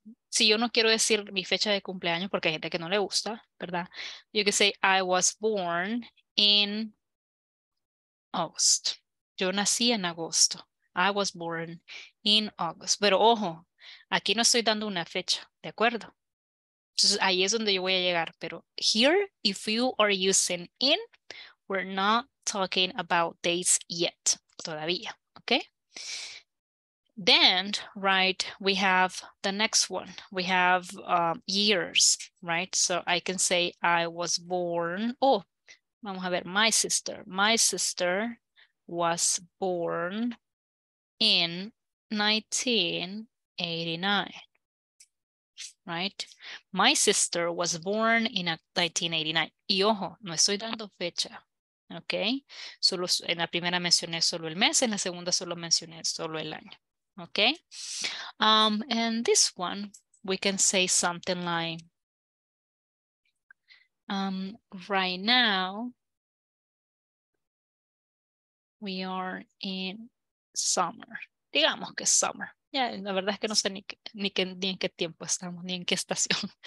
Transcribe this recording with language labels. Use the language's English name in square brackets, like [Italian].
[Spanish] Si yo no quiero decir mi fecha de cumpleaños porque hay gente que no le gusta, ¿verdad? [English] You can say, I was born in August. [Spanish] Yo nací en agosto. [English] I was born in August. [Spanish] Pero ojo, aquí no estoy dando una fecha, ¿de acuerdo? Entonces ahí es donde yo voy a llegar. [English] Pero here, if you are using in, we're not talking about dates yet, todavía, okay? Then, right, we have the next one. We have years, right? So I can say I was born, oh, [Spanish] vamos a ver, [English] my sister. My sister was born in 1989, right? My sister was born in 1989. [Spanish] Y ojo, no estoy dando fecha. Okay, solo en la primera mencioné solo el mes, en la segunda solo mencioné solo el año. [English] Okay, and this one we can say something like, right now we are in summer. [Spanish] Digamos que es summer. Yeah, la verdad es que no sé ni en qué tiempo estamos, ni en qué estación.